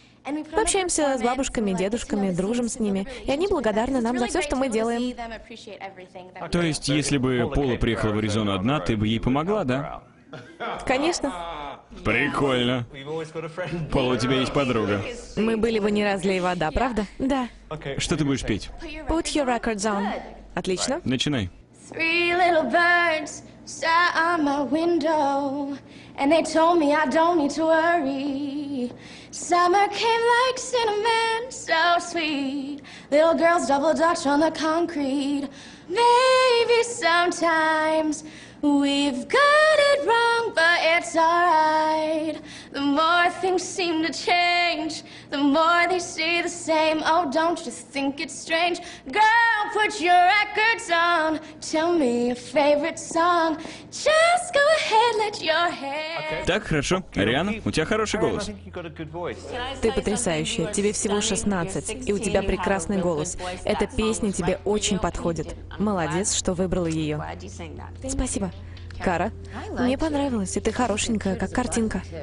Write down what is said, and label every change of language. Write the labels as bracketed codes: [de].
[ru] Мы общаемся с бабушками, дедушками, дружим с ними. И они благодарны нам за все, что мы делаем. То есть, если бы Пола приехала в Аризону одна, ты бы ей помогла, да? Конечно. Прикольно. Пола, у тебя есть подруга. Мы были бы не разлей вода, правда? Да. Что ты будешь петь? [en] Put your records on. [ru] Отлично. Начинай. [en] Three little birds sat on my window, and they told me I don't need to worry. Summer came like cinnamon, so sweet. Little girls double dutch on the concrete. Maybe sometimes we've got it wrong, but it's alright. The more things seem to change, the more they stay the same. Oh, don't you think it's strange? Girl, put your records on. Tell me your favorite song. Just go ahead, let your hair... [ru] Так, хорошо. Ариана, у тебя хороший голос. Ты потрясающая. Тебе всего 16, и у тебя прекрасный голос. Эта песня тебе очень подходит. Молодец, что выбрала ее. Спасибо. Кара, мне понравилось, и ты хорошенькая, как картинка.